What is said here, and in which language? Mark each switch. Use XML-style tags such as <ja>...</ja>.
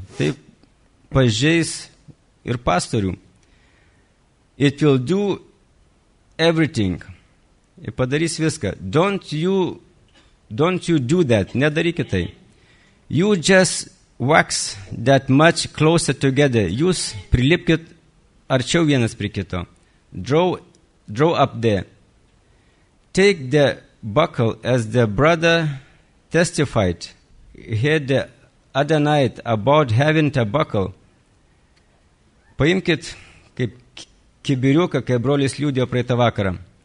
<lt>Tai pažeis ir pastorių.</lt> <en>It will do everything.</en> <lt>Ir padarys viską.</lt> <en>Don't you do that.</en> <lt>Nedarykit tai.</lt> <en>You just wax that much closer together.</en> <lt>Jūs prilipkit arčiau vienas prie kito.</lt> <en>Draw up there. Take the buckle as the brother testified here the other night about having a buckle.</en> <lt>Paimkit kaip kibiriuką, kai brolis liūdėjo praeitą vakarą.</lt>